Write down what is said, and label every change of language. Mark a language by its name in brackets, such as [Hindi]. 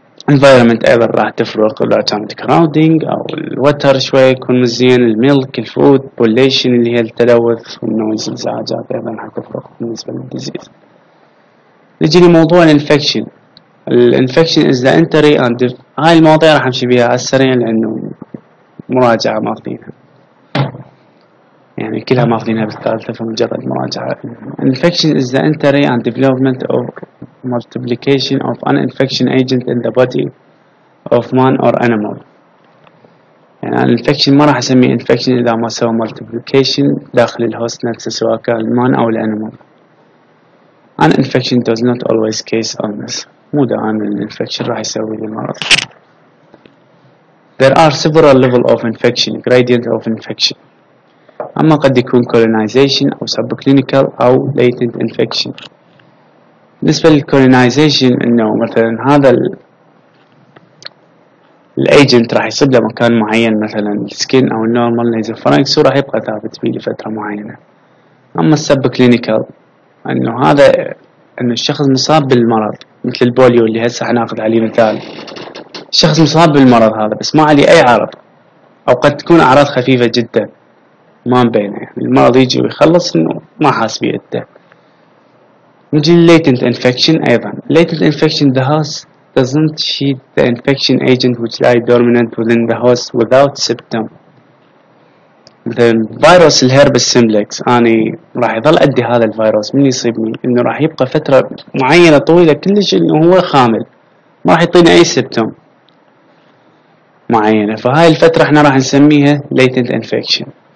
[Arabic] environment ايضا راح تفرق، لو كانت crowding او الوتر شوي يكون مزين، الميلك، الفود، pollution اللي هي التلوث والنويز الزعاجات ايضا حتفرق بالنسبة للديزيز. نجي لموضوع الانفكشن. الانفكشن [English] is the entry and [Arabic] هاي المواضيع راح امشي بيها على السريع لانه مراجعة ماخذينها، يعني كلها ماخذينها بالثالثة فمجرد مراجعة. [English] infection is the entry and development of multiplication of an infection agent in the body of man or animal. [Arabic] يعني الـ infection ما راح اسميه infection اذا ما سوى multiplication داخل الـ host نفسه سواء كان الـ man او الـ animal. [English] an infection does not always cause illness. [Arabic] مو دائما الـ infection راح يسوي لي مرض. [English] there are several levels of infection, gradient of infection. [Arabic] اما قد يكون colonization او subclinical او latent infection. بالنسبة للcolonization انه مثلا هذا الايجنت راح يصب له مكان معين، مثلا السكين او النورمال نيزل فرانكس، وراح يبقى ثابت فيه لفترة معينة. اما subclinical انه هذا انه الشخص مصاب بالمرض، مثل البوليو اللي هسه حناخد عليه مثال. الشخص مصاب بالمرض هذا بس ما عليه اي عرض، او قد تكون اعراض خفيفة جدا ما بينه، يعني المرض يجي ويخلص انه ما حاس بيه انت. نجي latent infection ايضا. [English] latent infection the host doesn't shed the infection agent which lie dormant within the host without symptom. the virus [Arabic] الهربس سيمبلكس، اني راح يظل ادي هذا الفيروس من يصيبني، انه راح يبقى فترة معينة طويلة كلش انه هو خامل، ما راح يعطيني اي symptom معينة، فهاي الفترة احنا راح نسميها latent infection.